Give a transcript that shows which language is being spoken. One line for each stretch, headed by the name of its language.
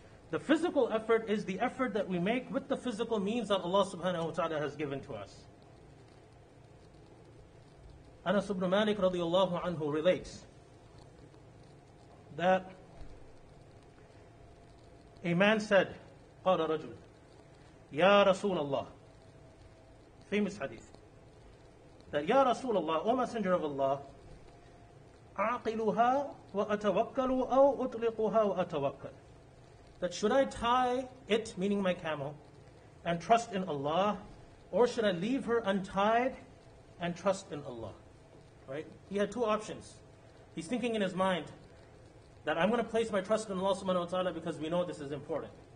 English: The physical effort is the effort that we make with the physical means that Allah subhanahu wa ta'ala has given to us. Anas ibn Malik radiallahu anhu relates that a man said,
Arabic: قَالَ رَجُلٌ يَا رَسُولَ اللَّهِ.
English: Famous hadith.
Arabic: That, يَا رَسُولَ اللَّهِ,
English: O Messenger of Allah,
Arabic: أَعْقِلُهَا وَأَتَوَكَّلُ أَوْ أُطْلِقُهَا وَأَتَوَكَّلُ.
English: That should I tie it, meaning my camel, and trust in Allah, or should I leave her untied and trust in Allah? Right? He had two options. He's thinking in his mind that I'm going to place my trust in Allah subhanahu wa ta'ala because we know this is important.